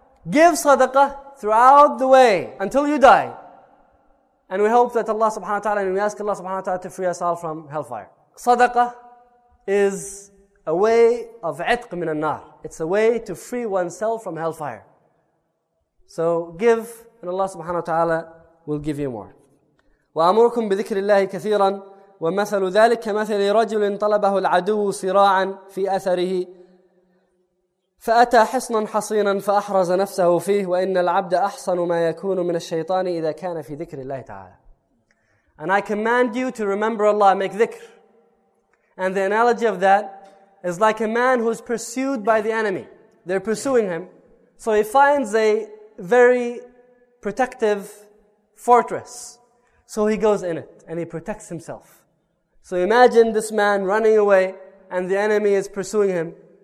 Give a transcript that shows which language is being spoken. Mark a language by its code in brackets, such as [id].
[en] Give sadaqah throughout the way until you die. And we hope that Allah subhanahu wa ta'ala, and we ask Allah subhanahu wa ta'ala to free us all from hellfire. Sadaqah is a way of [ar] itq min al-nar. [en] It's a way to free oneself from hellfire. So give, and Allah subhanahu wa ta'ala will give you more. [ar] وَأَمُرُكُمْ بِذِكْرِ اللَّهِ كَثِيرًا وَمَثَلُ ذَلِكَ مَثَلِ رَجُلٍ طَلَبَهُ الْعَدُوُ صِرَاعًا فِي أَثَرِهِ فأتى حصنا حصينا فأحرز نفسه فيه وإن العبد أحصن ما يكون من الشيطان إذا كان في ذكر الله تعالى. [en] And I command you to remember Allah, make dhikr. And the analogy of that is like a man who is pursued by the enemy. They're pursuing him. So he finds a very protective fortress. So he goes in it and he protects himself. So imagine this man running away and the enemy is pursuing him.